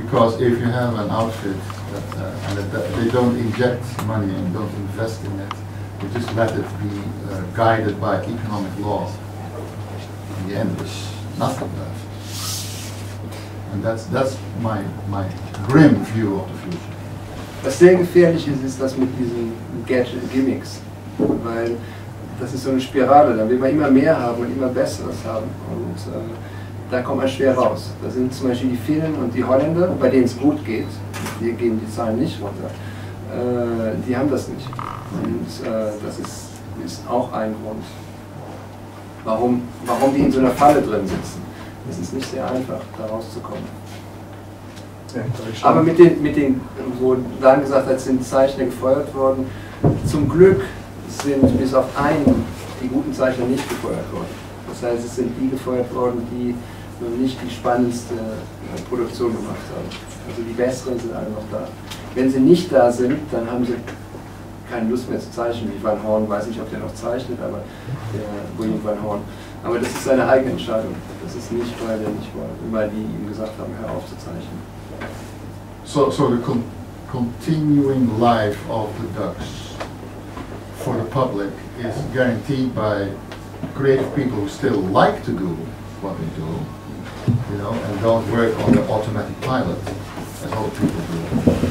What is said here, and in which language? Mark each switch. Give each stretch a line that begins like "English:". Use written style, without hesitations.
English: Because if you have an outfit that they don't inject money and don't invest in it, they just let it be guided by economic law, in the end there's nothing left. And that's my grim view of the future.
German: Was sehr gefährlich ist, ist das mit diesen Gadget-Gimmicks. Das ist so eine Spirale, da will man immer mehr haben und immer Besseres haben. Und da kommt man schwer raus. Da sind zum Beispiel die Finnen und die Holländer, bei denen es gut geht, hier gehen die Zahlen nicht runter, die haben das nicht. Und das ist auch ein Grund, warum die in so einer Falle drin sitzen. Es ist nicht sehr einfach, da rauszukommen. Aber mit den, wo Dan gesagt hat, sind Zeichner gefeuert worden, zum Glück sind bis auf einen die guten Zeichner nicht gefeuert worden. Das heißt, es sind die gefeuert worden, die noch nicht die spannendste Produktion gemacht haben. Also die besseren sind alle noch da. Wenn sie nicht da sind, dann haben sie keine Lust mehr zu zeichnen. Wie Van Horn, weiß nicht, ob der noch zeichnet, aber der William Van Horn. Aber das ist seine eigene Entscheidung. Das ist nicht, weil er nicht wollte, weil die ihm gesagt haben, hör auf zu zeichnen.
English: So the continuing life of the Ducks for the public is guaranteed by creative people who still like to do what they do, you know, and don't work on the automatic pilot as old people do.